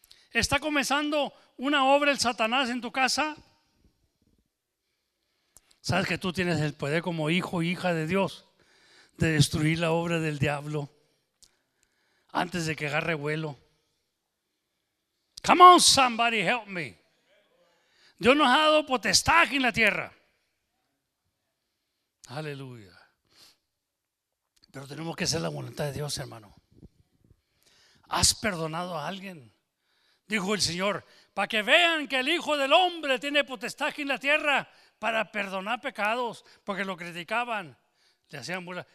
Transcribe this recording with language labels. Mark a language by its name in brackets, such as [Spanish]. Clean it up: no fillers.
[Spanish] ¿Está comenzando una obra el Satanás en tu casa? ¿Sabes que tú tienes el poder como hijo e hija de Dios de destruir la obra del diablo antes de que agarre vuelo? [English] Come on, somebody help me. [Spanish] Dios nos ha dado potestad aquí en la tierra. Aleluya. Pero tenemos que hacer la voluntad de Dios, hermano. ¿Has perdonado a alguien? Dijo el Señor, para que vean que el Hijo del Hombre tiene potestad aquí en la tierra para perdonar pecados, porque lo criticaban, le hacían burla.